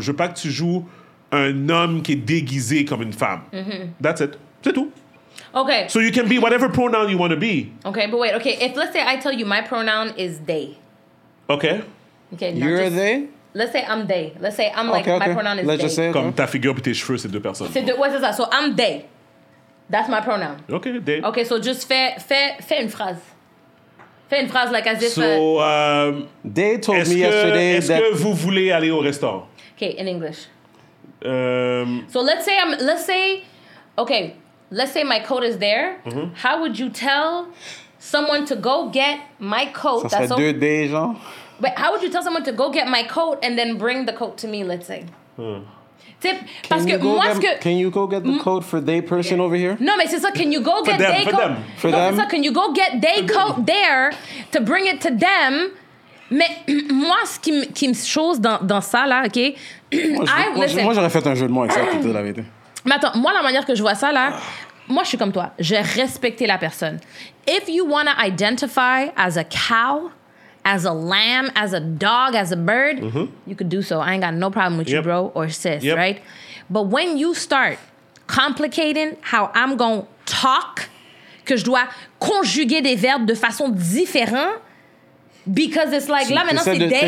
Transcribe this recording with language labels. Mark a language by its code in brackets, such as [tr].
[fr] Je veux pas que tu joues un homme qui est déguisé comme une femme. Mm-hmm. [en] That's it. [fr] C'est tout. [en] Okay. So you can be whatever pronoun you want to be. Okay, but wait. Okay, if let's say I tell you my pronoun is they. Okay. Okay. You're just, they. Let's say I'm they. Let's say I'm like okay. my pronoun is let's they. Just say it, [fr] comme ta figure puis tes cheveux c'est deux personnes. C'est deux. Ouais, c'est ça. So I'm they. That's my pronoun. [en] Okay. They. Okay. So just [fr] fais une phrase. Fais une phrase, [en] like, as if... So, they told me yesterday [fr] est-ce [en] that... [fr] Est-ce que vous voulez aller au restaurant? [en] Okay, in English. So, let's say I'm... Let's say... Okay, let's say my coat is there. Mm-hmm. How would you tell someone to go get my coat? [fr] Ça serait deux days, genre. [en] But how would you tell someone to go get my coat and then bring the coat to me, let's say? [fr] Tip, parce que moi, ce que... [en] Can you go get the coat for they person over here? [fr] Non, mais c'est ça. [en] Can you go get them, they for coat? Them. For no, them? [fr] C'est ça. [en] Can you go get they coat there to bring it to them? [fr] Mais moi, ce qui me chose dans ça, là, OK? Moi, j'aurais fait un jeu de mots avec ça, toute la vérité. Mais attends, moi, la manière que je vois ça, là, moi, je suis comme toi. Je vais respecter la personne. [en] If you want to identify as a cow... As a lamb, as a dog, as a bird, mm-hmm. you could do so. I ain't got no problem with yep. you, bro, or sis, yep. right? But when you start complicating how I'm going to talk, [fr] que je dois conjuguer des verbes de façon différente, [en] because it's like, [fr] là, maintenant, c'est [en] day.